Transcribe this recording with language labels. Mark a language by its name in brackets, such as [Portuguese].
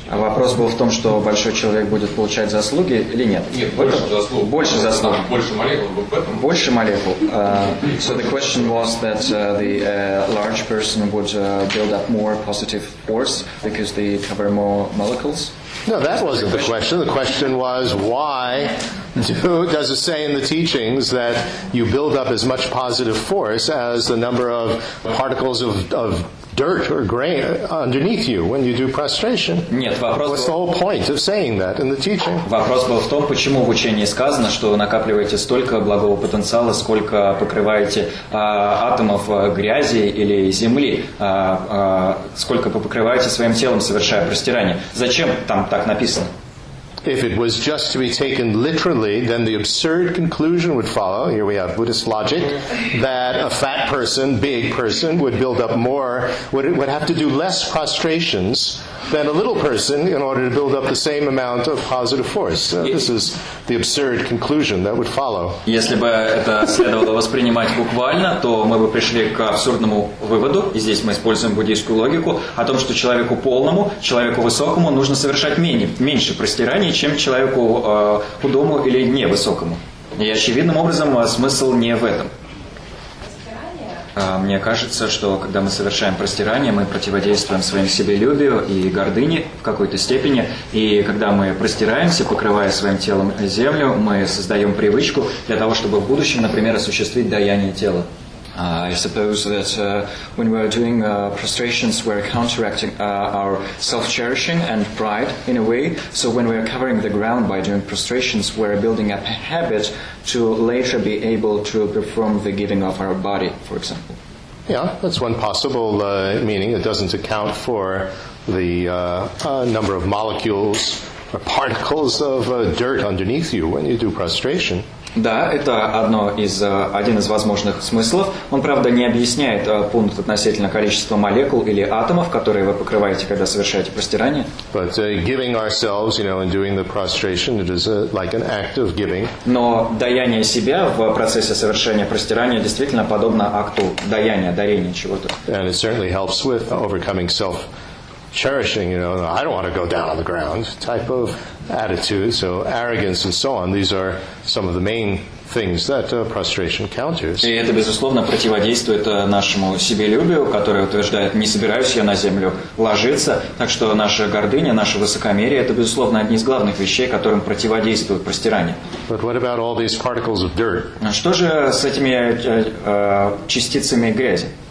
[Russian] А вопрос был в том, что большой человек будет получать заслуги или нет? Нет, больше заслуг. Больше заслуг. Больше молекул. Вот поэтому. Больше молекул. [English] So the question was that the large person would build up more positive force because they cover more molecules. No, that wasn't the question. The question was why does it say in the teachings that you build up as much positive force as the number of particles of dirt or grain underneath you when you do prostration? [Russian] Нет, вопрос. [English] What's the whole point of saying that in the teaching? [Russian] Вопрос был в том, почему в учении сказано, что вы накапливаете столько благого потенциала, сколько покрываете атомов грязи или земли, сколько вы покрываете своим телом, совершая простирание. Зачем там так написано? [English] If it was just to be taken literally, then the absurd conclusion would follow. Here we have Buddhist logic that a fat person, big person, would build up more, would have to do less prostrations than a little person in order to build up the same amount of positive force. So this is the absurd conclusion that would follow. [Russian] Если бы это следовало воспринимать буквально, то мы бы пришли к абсурдному выводу, и здесь мы используем буддийскую логику, о том, что человеку полному, человеку высокому нужно совершать меньше простираний, чем человеку худому или невысокому. И очевидным образом смысл не в этом. Мне кажется, что когда мы совершаем простирание, мы противодействуем своим себелюбию и гордыне в какой-то степени. И когда мы простираемся, покрывая своим телом землю, мы создаем привычку для того, чтобы в будущем, например, осуществить даяние тела. [English] I suppose that when we are doing prostrations, we are counteracting our self-cherishing and pride in a way. So when we are covering the ground by doing prostrations, we are building up a habit to later be able to perform the giving of our body, for example. Yeah, that's one possible meaning. It doesn't account for the number of molecules or particles of dirt underneath you when you do prostration. [Russian] Да, это один из возможных смыслов. Он, правда, не объясняет пункт относительно количества молекул или атомов, которые вы покрываете, когда совершаете простирание. [English] But giving ourselves, you know, and doing the prostration, it is like an act of giving. [Russian] Но даяние себя в процессе совершения простирания действительно подобно акту даяния, дарения чего-то. [English] And it certainly helps with overcoming self cherishing, you know, I don't want to go down on the ground type of attitude, so arrogance and so on, these are some of the main things that prostration counters. [Russian] И это, безусловно, противодействует нашему себелюбию, которое утверждает, не собираюсь я на землю ложиться, так что наша гордыня, наше высокомерие, это, безусловно, одни из главных вещей, которым противодействует простирание. [English] But what about all these particles of dirt? [Russian] Что же с этими частицами грязи?